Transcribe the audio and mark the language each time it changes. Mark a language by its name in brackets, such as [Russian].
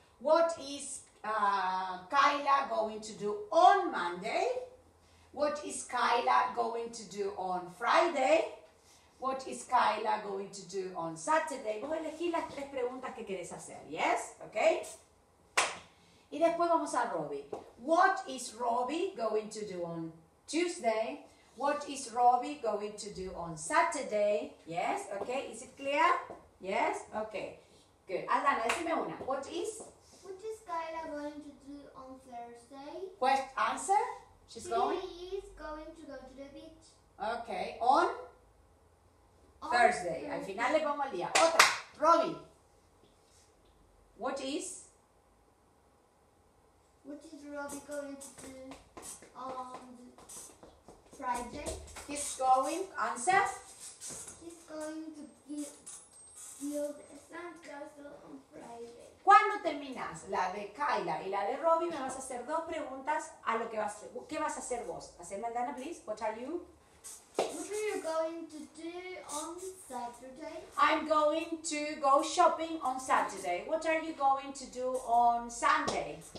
[English] What is Kayla going to do on Monday? What is Kayla going to do on Friday? What is Kayla going to do on Saturday? [Spanish] Vos elegís las tres preguntas que querés hacer, yes? Okay? Y después vamos a Robbie. [English] What is Robbie going to do on Tuesday? What is Robbie going to do on Saturday? Yes? Okay? Is it clear? Yes? Okay. Good. Aldana, [Spanish] decime una. [English] What is Kayla going to do on Thursday? Question, answer? She is going to go to the beach. [Spanish] Okay. [English] On? Thursday. [Spanish] Al final le pongo el día. Otra. Robbie. [English] What is Robbie going to do on Friday? He's going. Answer. He's going to build a sandcastle on Friday. [Spanish] Cuando terminas la de Kayla y la de Robbie, me vas a hacer dos preguntas a lo que vas a hacer. ¿Qué vas a hacer vos? Hacerme, Aldana, please. [English] What are you going to do on Saturday? I'm going to go shopping on Saturday. What are you going to do on Sunday?